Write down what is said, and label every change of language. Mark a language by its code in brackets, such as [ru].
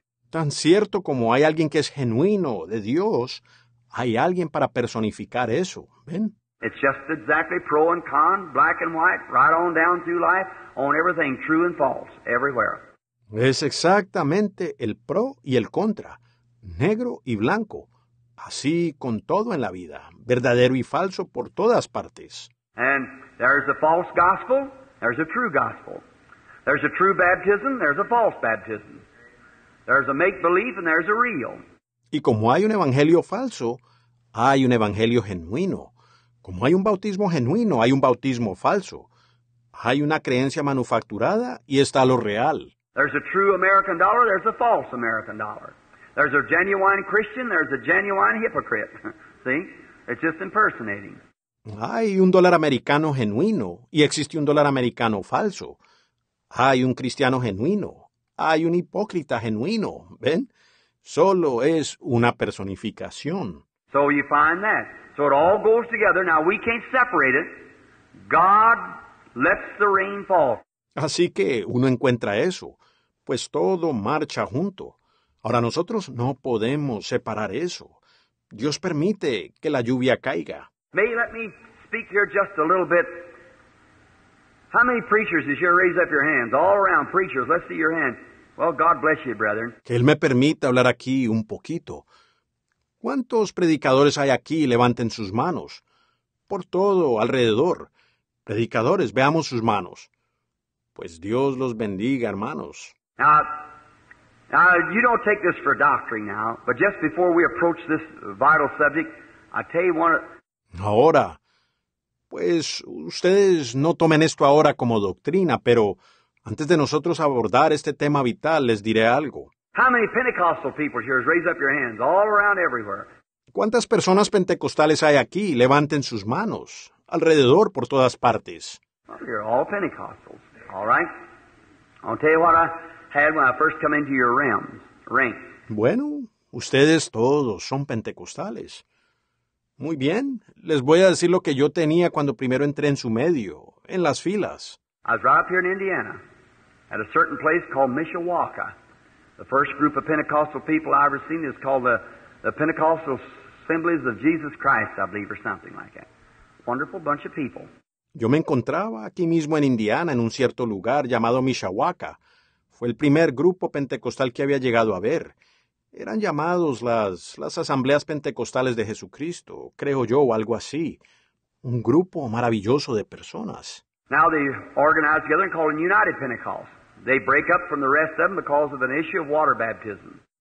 [es] Tan cierto como hay alguien que es genuino de Dios, hay alguien para personificar eso, ¿ven? [en] It's just exactly pro and con, black and white, right on down through life, on everything, true and false, everywhere. [es] Es exactamente el pro y el contra, negro y blanco, así con todo en la vida, verdadero y falso por todas partes. [en] And there's a false gospel, there's a true gospel. There's a true baptism, there's a false baptism. There's a make-believe and there's a real. [es] Y como hay un evangelio falso, hay un evangelio genuino. Como hay un bautismo genuino, hay un bautismo falso. Hay una creencia manufacturada y está lo real. [en] There's a true American dollar, there's a false American dollar. There's a genuine Christian, there's a genuine hypocrite. See? It's just impersonating. [es] Hay un dólar americano genuino y existe un dólar americano falso. Hay un cristiano genuino. Hay un hipócrita genuino. ¿Ven? Solo es una personificación. [en] So you find that. So it all goes together. Now we can't separate it. God lets the rain fall. [es] Así que uno encuentra eso, pues todo marcha junto. Ahora nosotros no podemos separar eso. Dios permite que la lluvia caiga. [en] May let me speak here just a little bit. How many preachers is here? Raise up your hands. All around preachers, let's see your hands. Well, God bless you, brethren. [es] Que él me permita hablar aquí un poquito. ¿Cuántos predicadores hay aquí? Levanten sus manos. Por todo alrededor. Predicadores, veamos sus manos. Pues Dios los bendiga, hermanos. [en] Now, you don't take this for doctrine now, but just before we approach this vital subject, I tell you one. [es] Ahora, pues ustedes no tomen esto ahora como doctrina, pero antes de nosotros abordar este tema vital, les diré algo. [en] How many Pentecostal people here? Raise up your hands. All around, everywhere. [es] ¿Cuántas personas pentecostales hay aquí? Levanten sus manos. Alrededor, por todas partes. [en] Well, you're all Pentecostals. All right. I'll tell you what I had when I first come into your ranks. [es] Bueno, ustedes todos son pentecostales. Muy bien, les voy a decir lo que yo tenía cuando primero entré en su medio, en las filas. [en] I was right up here in Indiana, at a certain place called Mishawaka. The first group of Pentecostal people I ever seen is called the Pentecostal Assemblies of Jesus Christ, I believe, or something like that. Wonderful bunch of people. [es] Yo me encontraba aquí mismo en Indiana, en un cierto lugar llamado Mishawaka. Fue el primer grupo pentecostal que había llegado a ver. Eran llamados las Asambleas Pentecostales de Jesucristo, creo yo, o algo así. Un grupo maravilloso de personas. [en] Now they organize together and call it United Pentecost. They break up from the rest of them because of an issue of water baptism.